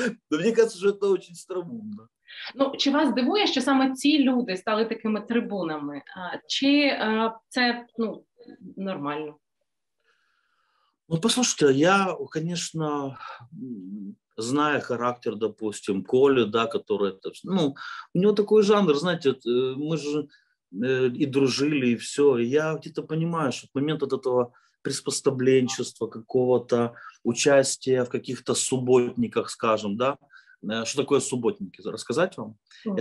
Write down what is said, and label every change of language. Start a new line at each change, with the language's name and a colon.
Russian: Мне кажется, что это очень странно.
Ukrainian: Ну, чи вас дивує, що саме ці люди стали такими трибунами? Чи це, ну, нормально?
Russian: Ну, послушайте, я, конечно, знаю характер, допустим, Коли, да, который, ну, у него такой жанр, знаете, мы же и дружили, и все. Я где-то понимаю, что в момент от этого приспособленчества, какого-то участия в каких-то субботниках, скажем, да, что такое субботники, рассказать вам? Нет.